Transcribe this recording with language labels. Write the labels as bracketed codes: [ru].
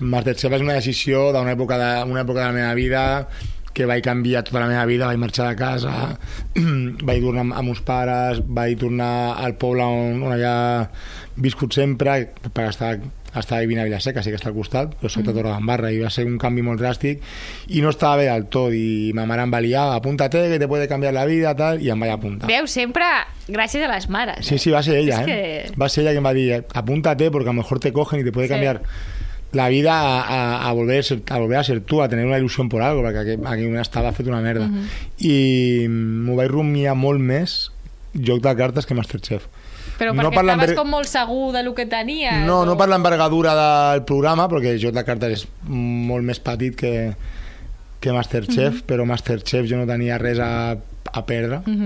[ca] Masterchef és una decisió d'una època de, una època de la meva vida, que vaig canviar tota la meva vida, vaig marxar de casa, vaig tornar amb uns pares, vaig tornar al poble on havia viscut sempre, per estar... Estava vivint a Vilaseca, sí que està al costat, però sota Torredembarra, i va ser un canvi molt dràstic i no estava bé del tot, i ma mare em va liar, [es] apúntate que te puede cambiar la vida, [ca] tal, i em vaig apuntar. Veu, sempre gràcies a les mares. Sí, sí, va ser ella, eh? Va ser ella que em va dir, [es] apúntate porque a lo mejor te cogen y te puede cambiar la vida a volver a ser tú, a tener una ilusión por algo, [ca] perquè aquí estava fet una merda. I m'ho vaig rumiar molt més joc de cartes que Masterchef. Però perquè no parla estaves com molt segur del que tenies. No, o... no per l'envergadura del programa, perquè joc de cartes és molt més petit que Masterchef, però Masterchef jo no tenia res a perdre.